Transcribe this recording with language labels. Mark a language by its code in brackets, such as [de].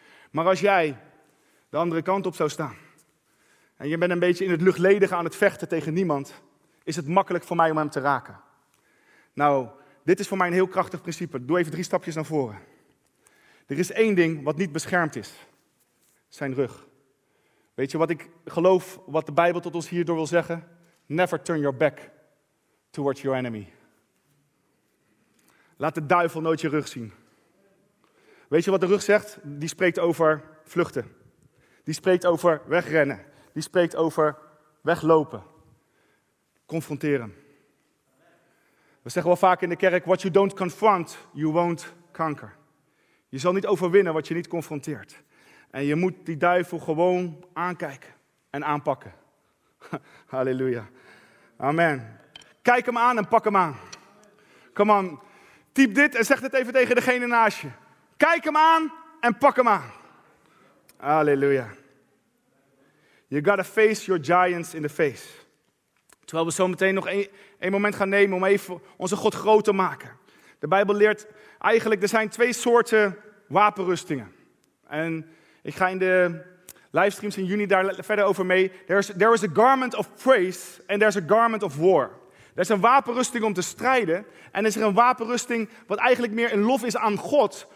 [nl] Maar als jij de andere kant op zou staan en je bent een beetje in het luchtledige aan het vechten tegen niemand, is het makkelijk voor mij om hem te raken. Nou, dit is voor mij een heel krachtig principe. Doe even 3 stapjes naar voren. Er is 1 ding wat niet beschermd is. Zijn rug. Weet je wat ik geloof, wat de Bijbel tot ons hierdoor wil zeggen? [en] Never turn your back towards your enemy. [nl] Laat de duivel nooit je rug zien. Weet je wat de rug zegt? Die spreekt over vluchten. Die spreekt over wegrennen. Die spreekt over weglopen. Confronteren. We zeggen wel vaak in de kerk, [en] what you don't confront, you won't conquer. [nl] Je zal niet overwinnen wat je niet confronteert. En je moet die duivel gewoon aankijken en aanpakken. Halleluja. Amen. Kijk hem aan en pak hem aan. [en] Come on. [nl] Typ dit en zeg het even tegen degene naast je. Kijk hem aan en pak hem aan. Halleluja. [en] You gotta face your giants in the face. [nl] Terwijl we zo meteen nog één moment gaan nemen om even onze God groot te maken. De Bijbel leert eigenlijk, er zijn 2 soorten wapenrustingen. En ik ga in de livestreams in juni daar verder over mee. [en] There is a garment of praise and there's a garment of war. [nl] Er is een wapenrusting om te strijden. En is er een wapenrusting wat eigenlijk meer in lof is aan God.